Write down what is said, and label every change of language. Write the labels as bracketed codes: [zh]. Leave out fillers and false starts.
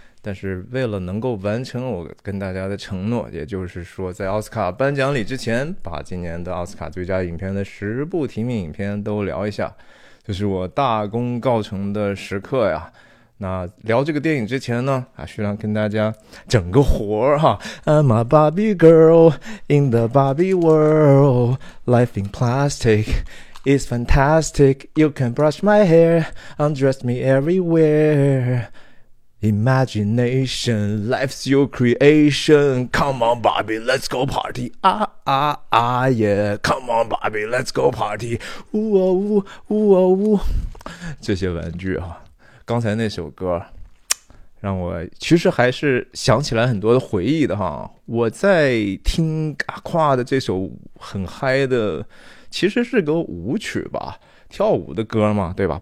[zh] 但是为了能够完成我跟大家的承诺，也就是说在奥斯卡颁奖礼之前，把今年的奥斯卡最佳影片的十部提名影片都聊一下，就是我大功告成的时刻呀。那聊这个电影之前呢，徐亮跟大家整个活儿哈。 [en] I'm a Barbie girl in the Barbie world, life in plastic. It's fantastic. You can brush my hair, undress me everywhere. Imagination, life's your creation. Come on, Barbie, let's go party. Yeah. Come on, Barbie, let's go party. 呜哦呜，呜哦呜。 [zh] 这些玩具啊，刚才那首歌，让我其实还是想起来很多的回忆的哈。我在听阿夸的这首很嗨的。其实是个舞曲吧，跳舞的歌嘛，对吧？